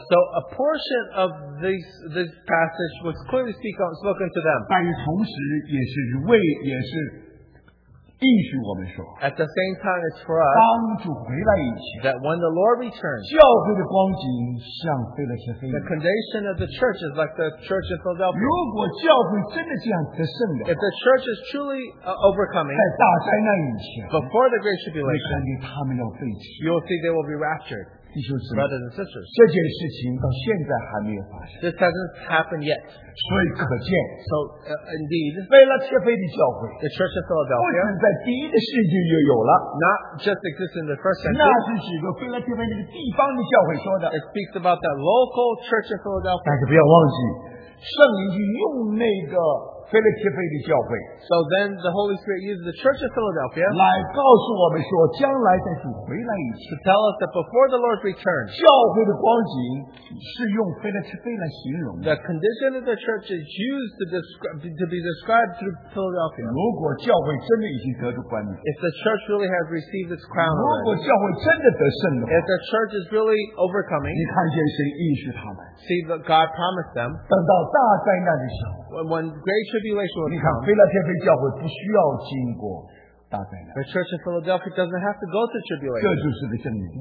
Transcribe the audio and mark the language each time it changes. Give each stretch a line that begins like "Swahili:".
English: So a portion of this passage was clearly spoken to them.
Chinese: 但同时也是为也是应许我们说。
English: At the same time, it's for us.
Chinese: 当主回来以前,
English: that when the Lord returns,
Chinese: 教会的光景像菲勒铁菲。
English: The condition of the church is like the church in Philadelphia.
Chinese: 如果教会真的这样得胜的,
English: if the church is truly overcoming,
Chinese: 在大灾难以前,
English: before the great tribulation,
Chinese: 你看见他们要废弃,
English: you will see they will be raptured.
Chinese: 弟兄姊妹,
English: brothers and sisters,
Chinese: 这件事情到现在还没有发生。
English: This hasn't happened yet.
Chinese: 所以可见,
English: so indeed,
Chinese: 菲勒铁菲的教会,
English: the church in Philadelphia,
Chinese: 在第一的世纪就有了,
English: not just exist in the first century. It speaks about that local church in Philadelphia.
Chinese: 但是不要忘记, 圣灵就用那个菲勒铁菲的教会,
English: so then the Holy Spirit uses the church of Philadelphia
Chinese: 来告诉我们说, 将来在主回来以前,
English: to tell us that before the Lord returns,
Chinese: 教会的光景是用菲勒铁菲来形容,
English: the condition of the church is used to be described through Philadelphia.
Chinese: 如果教会真的已经得着冠冕,
English: if the church really has received this crown,
Chinese: 如果教会真的得胜的话,
English: if the church is really overcoming,
Chinese: 你看见神应许他们,
English: see that God promised them,
Chinese: 等到大灾难的时候,
English: when great tribulation will come,
Chinese: 你看菲勒铁菲教会不需要经过,
English: the church of Philadelphia doesn't have to go to tribulation.